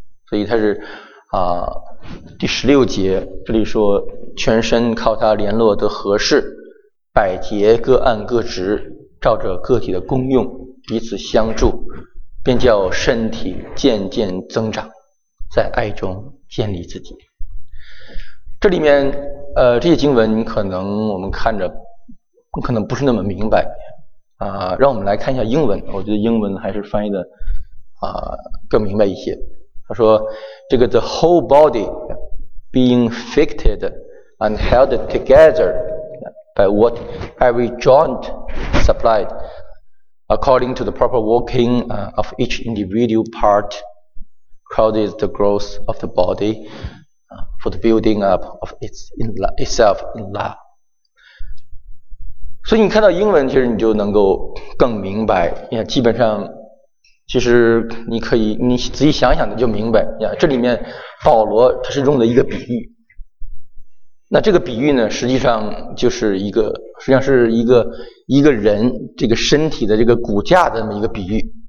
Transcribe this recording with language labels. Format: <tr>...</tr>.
<zh>所以他是啊，第十六节这里说，全身靠他联络得合适，百节各按各职，照着个体的功用彼此相助，便叫身体渐渐增长，在爱中建立自己。这里面这些经文可能我们看着可能不是那么明白啊，让我们来看一下英文，我觉得英文还是翻译的啊更明白一些。他说这个</zh> <en>the whole body being fitted and held together by what every joint supplied according to the proper working of each individual part causes the growth of the body for the building up of itself in love。</en> <zh>所以你看到英文其实你就能够更明白，基本上其实你可以你仔细想想的就明白，这里面保罗他是用了一个比喻，那这个比喻呢实际上就是一个实际上是一个人这个身体的这个骨架的那么一个比喻。</zh>